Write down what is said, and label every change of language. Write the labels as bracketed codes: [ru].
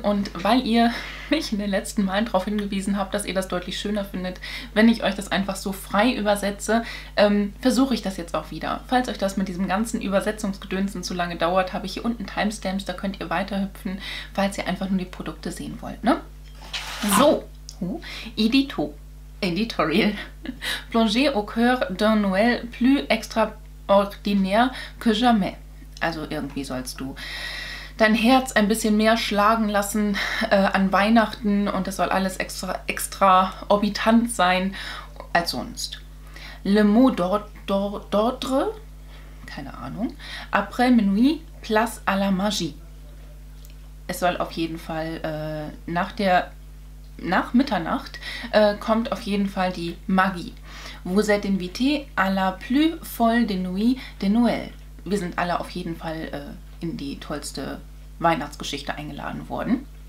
[de] Und weil ihr mich in den letzten Malen darauf hingewiesen habt, dass ihr das deutlich schöner findet, wenn ich euch das einfach so frei übersetze, versuche ich das jetzt auch wieder. Falls euch das mit diesem ganzen Übersetzungsgedönsen zu lange dauert, habe ich hier unten Timestamps, da könnt ihr weiterhüpfen, falls ihr einfach nur die Produkte sehen wollt. Ne? So, Editorial. [fr] Plonger au cœur d'un Noël plus extraordinaire que jamais. [de] Also irgendwie sollst du dein Herz ein bisschen mehr schlagen lassen an Weihnachten und es soll alles extra orbitant sein als sonst. [fr] Le mot d'ordre, [de] keine Ahnung, [fr] après minuit place à la magie. [de] Es soll auf jeden Fall nach Mitternacht kommt auf jeden Fall die Magie. [fr] Vous êtes invité à la plus folle de nuit de Noël. [de] Wir sind alle auf jeden Fall in die tollste Weihnachtsgeschichte eingeladen worden.